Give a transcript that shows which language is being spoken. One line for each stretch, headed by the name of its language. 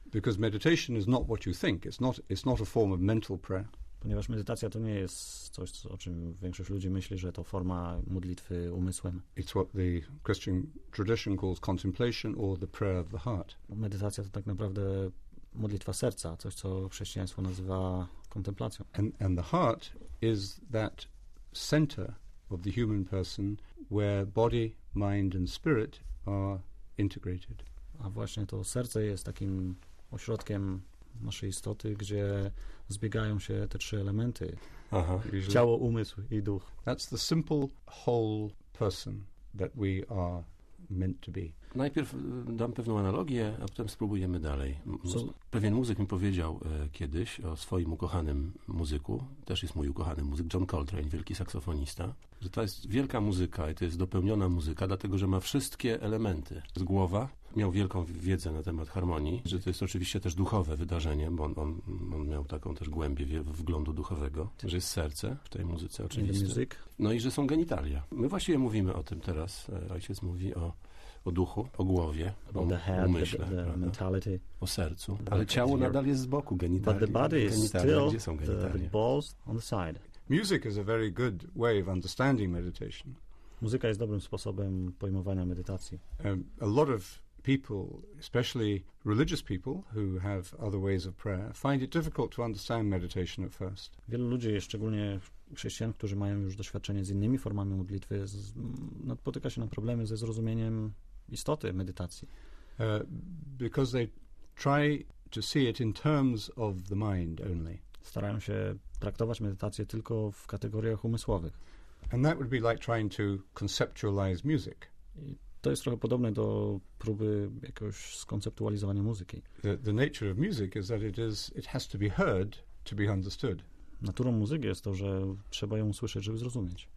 English: Because meditation is not what you think. It's not a form of mental prayer.
Polish: Ponieważ medytacja to nie jest coś, o czym większość ludzi myśli, że to forma modlitwy umysłem.
English: It's what the Christian tradition calls contemplation or the prayer of the heart.
Polish: Medytacja to tak naprawdę modlitwa serca, coś, co chrześcijaństwo nazywa kontemplacją.
English: And the heart is that center of the human person where body, mind and spirit are integrated.
Polish: A właśnie to serce jest takim ośrodkiem naszej istoty, gdzie zbiegają się te trzy elementy. Aha. Ciało, umysł i duch.
English: That's the simple whole person that we are meant to be.
Polish: Najpierw dam pewną analogię, a potem spróbujemy dalej. Pewien muzyk mi powiedział kiedyś o swoim ukochanym muzyku, też jest mój ukochany muzyk, John Coltrane, wielki saksofonista, że to jest wielka muzyka i to jest dopełniona muzyka, dlatego że ma wszystkie elementy z głowa. Miał wielką wiedzę na temat harmonii, że to jest oczywiście też duchowe wydarzenie, bo on miał taką też głębię wglądu duchowego, że jest serce w tej muzyce oczywiście. No i że są genitalia. My właściwie mówimy o tym teraz, ojciec mówi o duchu, o głowie, umyśle,
English: mentality,
Polish: o sercu. Ale ciało nadal jest z boku, genitalia.
English: But the body is still,
Polish: gdzie są genitalia?
English: The balls on the side. Music is a very good way of understanding meditation.
Polish: Muzyka jest dobrym sposobem pojmowania medytacji.
English: A lot of people, especially religious people who have other ways of prayer, find it difficult to understand meditation at first.
Polish: Wielu ludzi, szczególnie chrześcijan, którzy mają już doświadczenie z innymi formami modlitwy, napotyka się na problemy ze zrozumieniem istoty medytacji.
English: Because they try to see it in terms of the mind only.
Polish: Starają się traktować medytację tylko w kategoriach umysłowych.
English: And that would be like trying to conceptualize music.
Polish: To jest trochę podobne do próby jakiegoś skonceptualizowania muzyki.
English: The nature of music is that it has to be heard to be understood.
Polish: Naturą muzyki jest to, że trzeba ją usłyszeć, żeby zrozumieć.